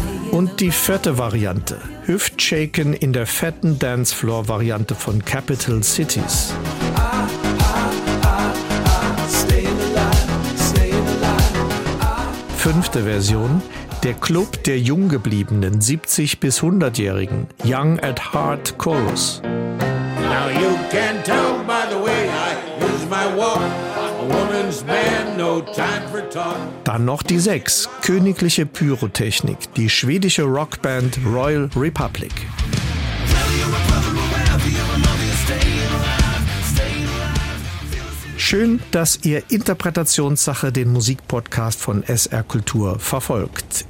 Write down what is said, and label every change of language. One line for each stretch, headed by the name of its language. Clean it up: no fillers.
German: Und die 4. Variante, Hüftshaken in der fetten Dancefloor-Variante von Capital Cities. Fünfte Version, der Club der junggebliebenen 70- bis 100-Jährigen, Young at Heart Chorus.
English: Now you can tell by the way I use my walk. Woman's man, no time for talk.
German: Dann noch die 6, königliche Pyrotechnik, die schwedische Rockband Royal Republic. Schön, dass ihr Interpretationssache den Musikpodcast von SR Kultur verfolgt.